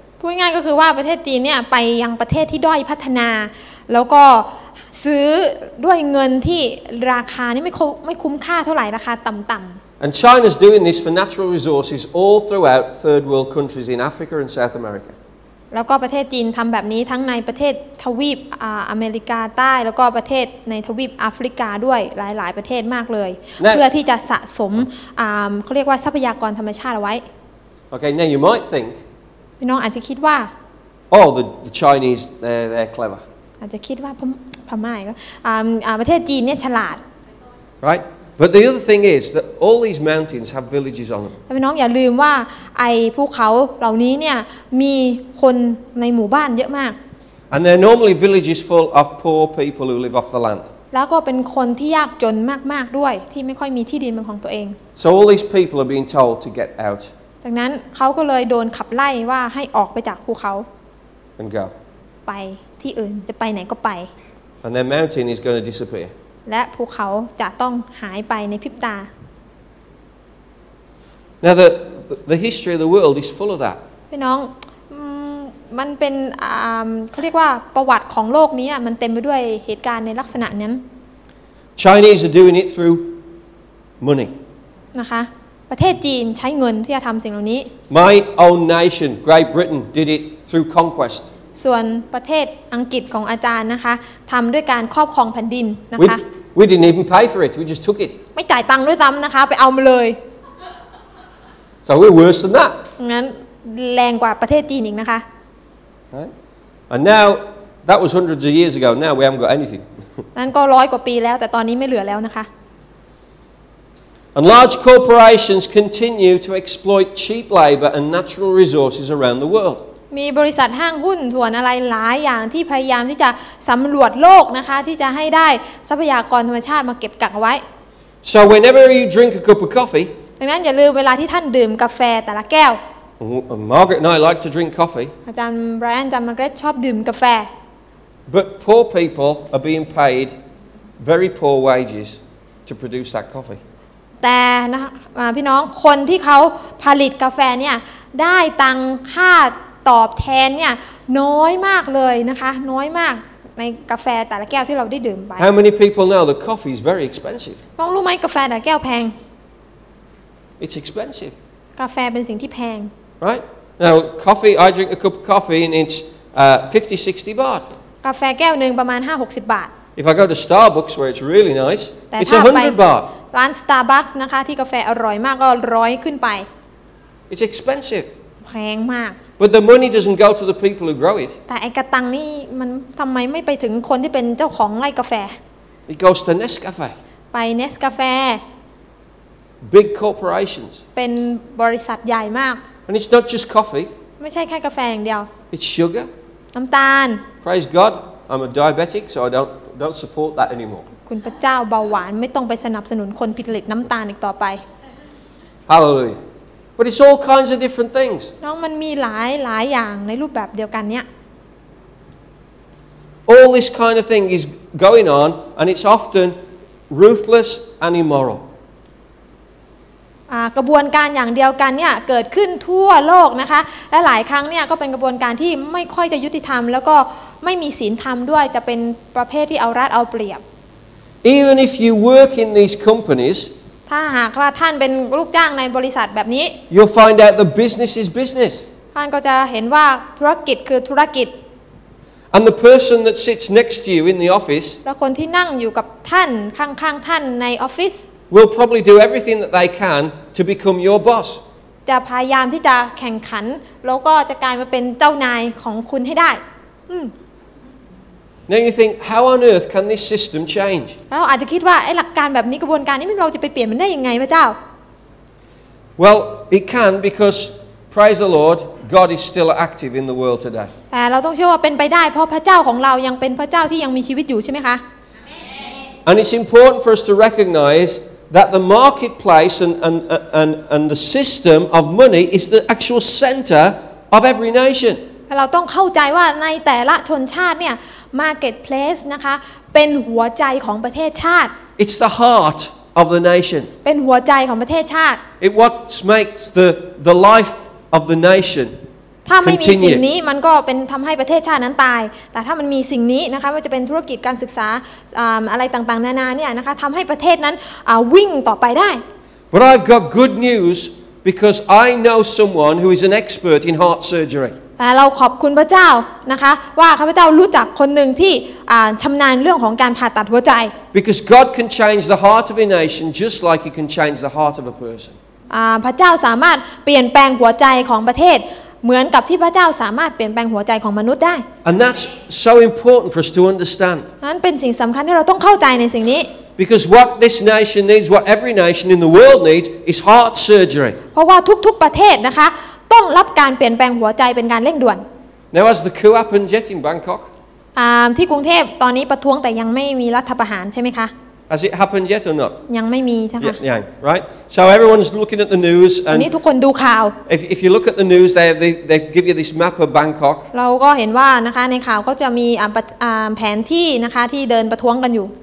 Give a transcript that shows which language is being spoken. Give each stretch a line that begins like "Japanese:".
Thai: พูดง่ายก็คือว่าประเทศจีนเนี่ยไปยังประเทศที่ด้อยพัฒนาแล้วก็ซื้อด้วยเงินที่ราคานี่ไม่คุ้มค่าเท่าไหร่ราคาต่ำ
English: ๆ And China's doing this for natural resources all throughout third world countries in Africa and South America
Thai: แล้วก็ประเทศจีนทำแบบนี้ทั้งในประเทศทวีปอเมริกาใต้แล้วก็ประเทศในทวีปแอฟริกาด้วยหลายๆประเทศมากเลย Now, เพื่อที่จะสะสมเขาเรียกว่าทรัพยากรธรรมชาติเอาไว้
English: Okay now you might think
Thai: พี่น้องอาจจะคิดว่า
English: Oh the Chinese they're clever
Thai: อาจจะคิดว่าพม่าประเทศจีนเนี่ยฉลาด
English: Right but the other thing is that all these mountains have villages on them
Thai: พี่น้องอย่าลืมว่าไอ้ภูเขาเหล่านี้เนี่ยมีคนในหมู่บ้านเยอะมาก
English: And they're normally villages full of poor people who live off the land
Thai: แล้วก็เป็นคนที่ยากจนมากๆด้วยที่ไม่ค่อยมีที่ดินเป็นของตัวเอง
English: So all these people are being told to get out
Thai: จากนั้นเขาก็เลยโดนขับไล่ว่าให้ออกไปจากภูเขา
English: And go.
Thai: ไปที่อื่นจะไปไหนก็ไป
English: And the mountain is going to disappear.
Thai: และภูเขาจะต้องหายไปในพริบตา
English: Now the history of the world is full of that.
Thai: พี่น้องมันเป็นเขาเรียกว่าประวัติของโลกนี้มันเต็มไปด้วยเหตุการณ์ในลักษณะนั้น
English: Chinese are doing it through money.
Thai: นะคะประเทศจีนใช้เงินที่จะทำสิ่งเหล่านี้
English: My own nation, Great Britain, did it through conquest.
Thai: ส่วนประเทศอังกฤษของอาจารย์นะคะทำด้วยการครอบครองแผ่นดินนะคะ
English: We didn't even pay for it. We just took it.
Thai: ไม่จ่ายตังค์ด้วยซ้ำนะคะไปเอามาเลย
English: So we're worse than that.
Thai: งั้นแรงกว่าประเทศจีนอีกนะคะ
English: Right. And now that was hundreds of years ago. Now we haven't got anything.
Thai: นั่นก็ร้อยกว่าปีแล้วแต่ตอนนี้ไม่เหลือแล้วนะคะ
English: And large corporations continue to exploit cheap labor and natural resources around the world.
Thai: มีบริษัทห้างหุ้นส่วนอะไรหลายอย่างที่พยายามที่จะสำรวจโลกนะคะที่จะให้ได้ทรัพยากรธรรมชาติมาเก็บกักไว้
English: So whenever you drink a cup of coffee,
Thai: ดังนั้นอย่าลืมเวลาที่ท่านดื่มกาแฟแต่ละแก้ว
English: Margaret and I like to drink coffee.
Thai: อาจารย์ไบรอันอาจารย์มาร์เกรตชอบดื่มกาแฟ
English: But poor people are being paid very poor wages to produce that coffee.
Thai: แต่นะคะพี่น้องคนที่เขาผลิตกาแฟเนี่ยได้ตังค่าตอบแทนเนี่ยน้อยมากเลยนะคะน้อยมากในกาแฟแต่ละแก้วที่เราได้ดื่มไป
English: How many people know that coffee is very expensive
Thai: น้องรู้ไหมกาแฟแต่ละแก้วแพง
English: It's expensive
Thai: กาแฟเป็นสิ่งที่แพง
English: Right Now coffee I drink a cup of coffee and it's 50-60 baht
Thai: กาแฟแก้วนึงประมาณ 5-60 บาท
English: If I go to Starbucks where it's really nice it's 100 baht
Thai: ร้าน Starbucks นะคะที่กาแฟอร่อยมากก็100ขึ้นไป
English: It's expensive
Thai: แพงมาก
English: But the money doesn't go to the people who grow it
Thai: แต่ไอ้กระตังนี่มันทำไมไม่ไปถึงคนที่เป็นเจ้าของไร่กาแฟ
English: It goes to Nescafe
Thai: ไปเนสกาแฟ
English: Big corporations
Thai: เป็นบริษัทใหญ่มาก
English: And it's not just coffee
Thai: ไม่ใช่แค่กาแฟอย่างเดียว
English: It's sugar
Thai: น้ำตาล
English: Praise God I'm a diabetic so I don't support that anymore
Thai: คุณพระเจ้าเบาหวานไม่ต้องไปสนับสนุนคนผิดฤทธิ์น้ำตาลอีกต่อไป
English: Hallelujah But it's all kinds of different things
Thai: น้องมันมีหลายอย่างในรูปแบบเดียวกันเนี่ย
English: All this kind of thing is going on, and it's often ruthless and immoral.
Thai: กระบวนการอย่างเดียวกันเนี่ยเกิดขึ้นทั่วโลกนะคะและหลายครั้งเนี่ยก็เป็นกระบวนการที่ไม่ค่อยจะยุติธรรมแล้วก็ไม่มีศีลธรรมด้วยจะเป็นประเภทที่เอารัดเอาเปรียบ
English: Even if you work in these companies,
Thai: ถ้าหากว่าท่านเป็นลูกจ้างในบริษัทแบบนี้
English: you'll find out the business is business.
Thai: ท่านก็จะเห็นว่าธุรกิจคือธุรกิจ
English: And the person that sits next to you in the office
Thai: แล้วคนที่นั่งอยู่กับท่านข้างๆท่านในออฟฟิศ
English: will probably do everything that they can to become your boss
Thai: จะพยายามที่จะแข่งขันแล้วก็จะกลายมาเป็นเจ้านายของคุณให้ได้
English: Now you think how on earth can this system change
Thai: เราอาจจะคิดว่าไอ้หลักการแบบนี้กระบวนการนี้เราจะไปเปลี่ยนมันได้ยังไงพระเจ้า
English: Well it can becausePraise the Lord, God is still active in the world today.
Thai: แต่เราต้องเชื่อว่าเป็นไปได้เพราะพระเจ้าของเรายังเป็นพระเจ้าที่ยังมีชีวิตอยู่ใช่ไหมคะ
English: And it's important for us to recognize that the marketplace and the system of money is the actual center of every nation.
Thai: เราต้องเข้าใจว่าในแต่ละชนชาติเนี่ย marketplace นะคะเป็นหัวใจของประเทศชาติ
English: It's the heart. Of the nation.
Thai: เป็นหัวใจของประเทศชาติ
English: It what makes the life of the nation.
Thai: ถ้าไม่มีสิ่งนี้มันก็เป็นทำให้ประเทศชาตินั้นตายแต่ถ้ามันมีสิ่งนี้นะคะว่าจะเป็นธุรกิจการศึกษาอะไรต่างๆนานาเนี่ยนะคะทำให้ประเทศนั้นวิ่งต่อไปได้
English: But I've got good news because I know someone who is an expert in heart surgery.
Thai: แต่เราขอบคุณพระเจ้านะคะว่าข้าพเจ้ารู้จักคนหนึ่งที่ชำนาญเรื่องของการผ่าตัดหัวใจ
English: Because God can change the heart of a nation just like He can change the heart of a person.
Thai: พระเจ้าสามารถเปลี่ยนแปลงหัวใจของประเทศเหมือนกับที่พระเจ้าสามารถเปลี่ยนแปลงหัวใจของมนุษย์ได้
English: And that's so important for us to understand.
Thai: นั้นเป็นสิ่งสำคัญที่เราต้องเข้าใจในสิ่งนี้
English: Because what this nation needs, what every nation in the world needs, is heart surgery.
Thai: เพราะว่าทุกๆประเทศนะคะต้องรับการเปลี่ยนแปลงหัวใจเป็นการเร่งด่วน
English: Now as the coup happened yet in Bangkok?
Thai: ที่กรุงเทพตอนนี้ประท้วงแต่ยังไม่มีรัฐประหารใช่ไหมคะ
English: Has it happened yet or not?
Thai: ยังไม่มีใช่ไหมคะ
English: Yang, right? So everyone's looking at the news and
Thai: วันนี้ทุกคนดูข่าว
English: If you look at the news, they give you this map of Bangkok.
Thai: เราก็เห็นว่านะคะในข่าวก็จะมีแผนที่นะคะที่เดินประท้วงกันอยู่